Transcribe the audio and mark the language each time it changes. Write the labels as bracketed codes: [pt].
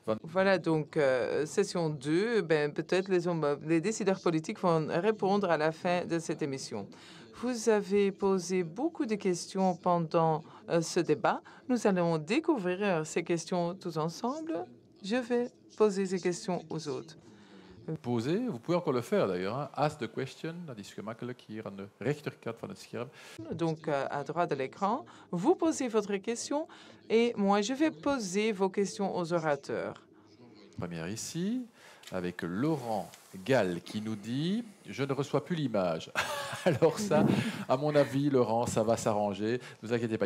[fr] Voilà, donc, session 2, peut-être les décideurs politiques vont répondre à la fin de cette émission. Vous avez posé beaucoup de questions pendant ce débat. Nous allons découvrir ces questions tous ensemble. Je vais poser ces questions aux autres. poser. Vous pouvez encore le faire d'ailleurs. Hein. [en] Ask the question, [nl] dat is gemakkelijk hier aan de rechterkant van het scherm. [fr] Donc à droite de l'écran, vous posez votre question et moi je vais poser vos questions aux orateurs. Première ici, avec Laurent Gall qui nous dit « Je ne reçois plus l'image ». Alors ça, à mon avis, Laurent, ça va s'arranger. Ne vous inquiétez pas.